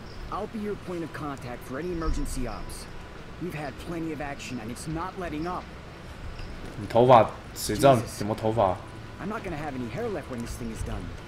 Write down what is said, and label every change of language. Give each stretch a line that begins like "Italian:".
English: I'll be your point of contact for any emergency ops. We've had plenty of action, and it's not letting up.
Chinese: 你头发谁知道你什么头发
English: ？I'm not gonna have any hair left when this thing is done.